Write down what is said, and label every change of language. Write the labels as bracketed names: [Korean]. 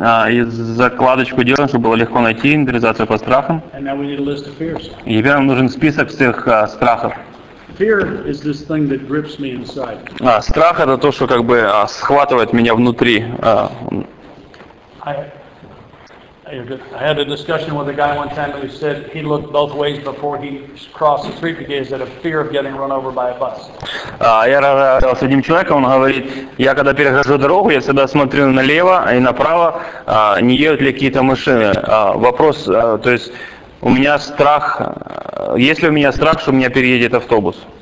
[Russian] И закладочку делаем, чтобы было легко найти инвентаризацию по страхам. И теперь нам нужен список всех страхов. [English] Fear is this thing that grips me inside. [Russian] Страх это то, что как бы схватывает меня внутри. [English] I had a discussion with a guy one time who said he looked both ways before he crossed the street because he had a fear of getting run over by a bus. [Russian] Я разговаривал с одним человеком, он говорит, я когда перехожу дорогу, я всегда смотрю налево и направо, не едут ли какие-то машины. Вопрос, то есть. У меня страх. Есть ли у меня страх, что у меня переедет автобус?